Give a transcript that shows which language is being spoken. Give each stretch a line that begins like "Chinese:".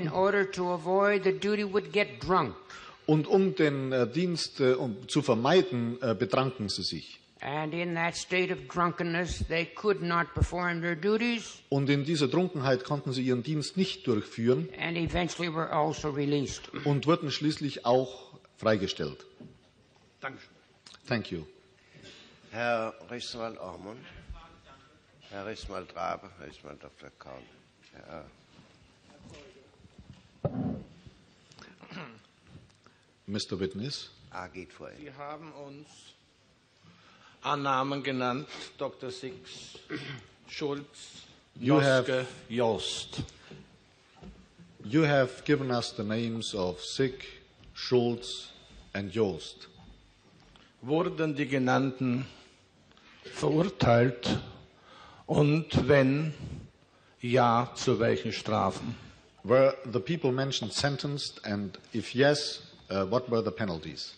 English: In order to avoid, the duty would get drunk.
German: Und um den Dienst zu vermeiden, betranken sie sich.
English: And in that state of drunkenness, they could not perform their duties.
German: Und in dieser Trunkenheit konnten sie ihren Dienst nicht durchführen.
English: And eventually were also released.
German: Und wurden schließlich auch freigestellt. Dankeschön.
English: Thank you.
German: Herr Rismal Ormond, Herr Rismal Drabe, Herr Rismal Dr. Kaul.
English: Mr. Witness,
German: A geht vor Ihnen. Sie haben uns an Namen genannt, Dr. Six, Schulz, Noske, Jost.
English: You have given us the names of Sick, Schulz and Jost.
German: Wurden die genannten verurteilt und wenn ja, zu welchen Strafen?
English: Were the people mentioned sentenced and if yes, what were the penalties?